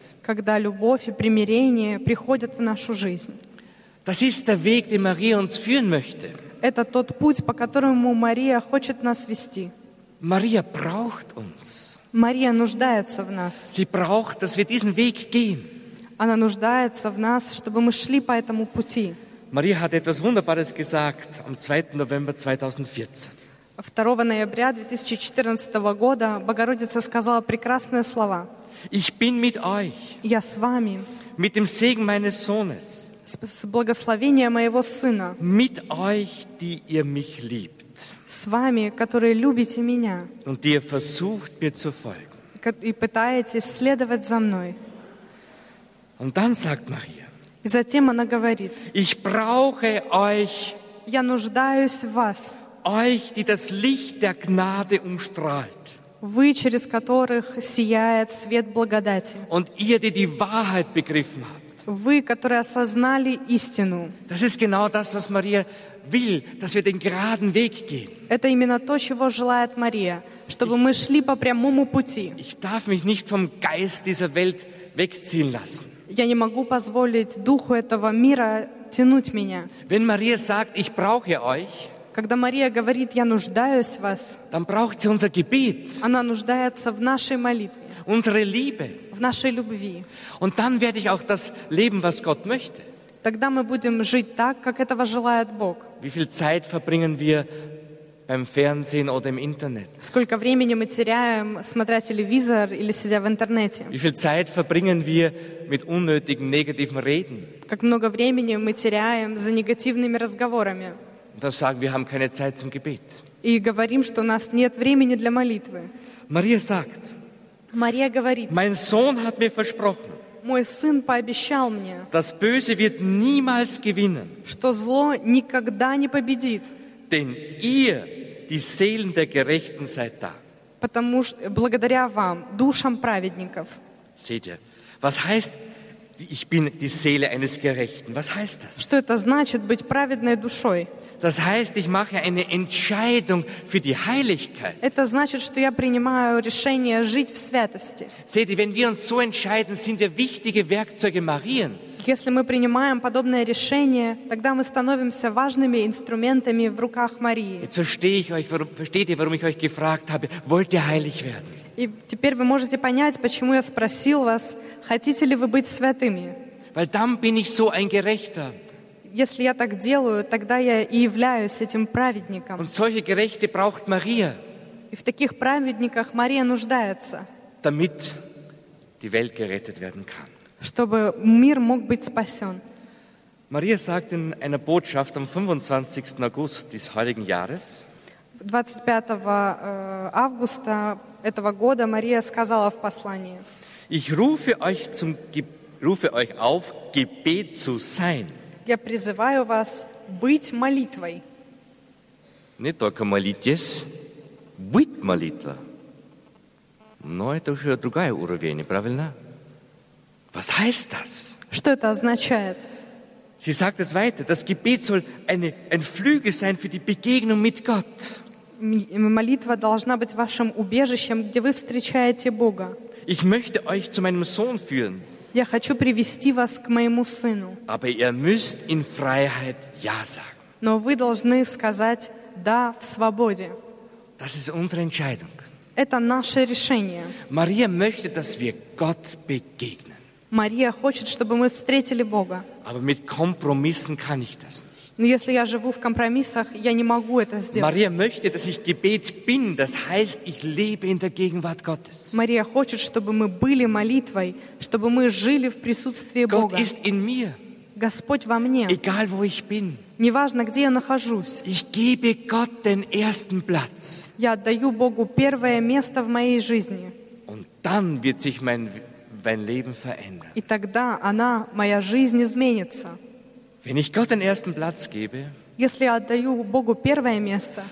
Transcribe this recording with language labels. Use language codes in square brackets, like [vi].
[ru] Когда любовь и примирение приходят в нашу жизнь. [de] Das ist der Weg, den Maria uns führen möchte. [ru] Это тот путь, по которому Мария хочет нас вести. [de] Maria braucht uns. [ru] Мария нуждается в нас. [de] Sie braucht, dass wir diesen Weg gehen. [ru] Она нуждается в нас, чтобы мы шли по этому пути. [de] Maria hat etwas Wunderbares gesagt am 2. November 2014. [ru] 2 ноября 2014 года Богородица сказала прекрасные слова. [de] Ich bin mit euch. [ru] Я с вами. [de] Mit dem Segen meines Sohnes. [ru] С благословением моего сына. [de] Mit euch, die ihr mich liebt. [ru] С вами, которые любите меня. [de] Und ihr versucht, mir zu folgen. [ru] И пытаетесь следовать за мной. [de] Und dann sagt Maria, [ru] и затем она говорит. [de] Ich brauche euch, [ru] я нуждаюсь в вас. [de] Euch, die das Licht der Gnade umstrahlt. [ru] Вы, через которых сияет свет благодати. [de] Und ihr, die die Wahrheit begriffen habt. [ru] Вы, которые осознали истину. [de] Das ist genau das, was Maria will, dass wir den geraden Weg gehen. [ru] Это именно то, чего желает Мария, чтобы мы шли по прямому пути. [de] Ich darf mich nicht vom Geist dieser Welt wegziehen lassen. [ru] Я не могу позволить духу этого мира тянуть меня. [de] Wenn Maria sagt, ich brauche euch, [ru] когда Мария говорит, я нуждаюсь в вас, [de] dann braucht sie unser Gebet, [ru] она нуждается в нашей молитве, [de] unsere Liebe, [ru] в нашей любви. [de] Und dann werde ich auch das leben, was Gott möchte. [ru] Тогда мы будем жить так, как этого желает Бог. [de] Wie viel Zeit verbringen wir beim Fernsehen oder im Internet? [ru] Сколько времени мы теряем, смотря телевизор или сидя в интернете? [de] Wie viel Zeit verbringen wir mit unnötigen negativen Reden? [ru] Как много времени мы теряем за негативными разговорами? [de] Und dann sagen wir, haben keine Zeit zum Gebet. [ru] И говорим, что у нас нет времени для молитвы. [de] Maria sagt. [ru] Maria говорит. [de] Mein Sohn hat mir versprochen. [ru] Мой сын пообещал мне. [de] Das Böse wird niemals gewinnen. [ru] Что зло никогда не победит. [de] Denn ihr, die Seelen der Gerechten, seid da. [ru] Потому что благодаря вам, душам праведников. [de] Seht ihr, was heißt, ich bin die Seele eines Gerechten? Was heißt das? [ru] Что это значит быть праведной душой? [de] Das heißt, ich mache eine Entscheidung für die Heiligkeit. [ru] Это значит, что я принимаю решение жить в святости. [de] Seht ihr, wenn wir uns so entscheiden, sind wir wichtige Werkzeuge Mariens. [ru] Если мы принимаем подобное решение, тогда мы становимся важными инструментами в руках Марии. [de] Jetzt verstehe ich euch, versteht ihr, warum ich euch gefragt habe, wollt ihr heilig werden? [ru] И теперь вы можете понять, почему я спросил вас, хотите ли вы быть святыми? [de] Weil dann bin ich so ein Gerechter. [ru] Если я так делаю, тогда я и являюсь этим праведником. [de] Und solche Gerechte braucht Maria. [ru] И в таких праведниках Мария нуждается. [de] Damit die Welt gerettet werden kann. [ru] Чтобы мир мог быть спасен. [de] Maria sagt in einer Botschaft am 25. August des heutigen Jahres. [ru] 25 августа этого года Мария сказала в послании. [de] Ich rufe euch zum rufe euch auf, Gebet zu sein. [ru] Я призываю вас быть молитвой. Не только молитесь, быть молитва. Но это уже другая уровень, правильно? [de] Was heißt das? [ru] Что это означает? [de] Sie sagt es weiter, das Gebet soll ein Flügel sein für die Begegnung mit Gott. [ru] Молитва должна быть вашим убежищем, где вы встречаете Бога. [de] Ich möchte euch zu meinem Sohn führen. [ru] Я хочу привести вас к моему сыну. [de] Aber ihr müsst in Freiheit ja sagen. [ru] Но вы должны сказать «да» в свободе. [de] Das ist unsere Entscheidung. [ru] Это наше решение. [de] Maria möchte, dass wir Gott begegnen. [ru] Мария хочет, чтобы мы встретили Бога. [de] Aber mit Kompromissen kann ich das nicht. [ru] Но если я живу в компромиссах, я не могу это сделать. [de] Maria möchte, dass ich Gebet bin, das heißt, ich lebe in der Gegenwart Gottes. [ru] Мария хочет, чтобы мы были молитвой, чтобы мы жили в присутствии Бога. [de] Gott ist in mir. [ru] Господь во мне. [de] Egal wo ich bin. [ru] Неважно, где я нахожусь. [de] Ich gebe Gott den ersten Platz. [ru] Я отдаю Богу первое место в моей жизни. [de] Und dann wird sich mein Leben verändern. [ru] И тогда она, моя жизнь, изменится. [de] Wenn ich Gott den ersten Platz gebe, [ru] если я отдаю Богу первое место,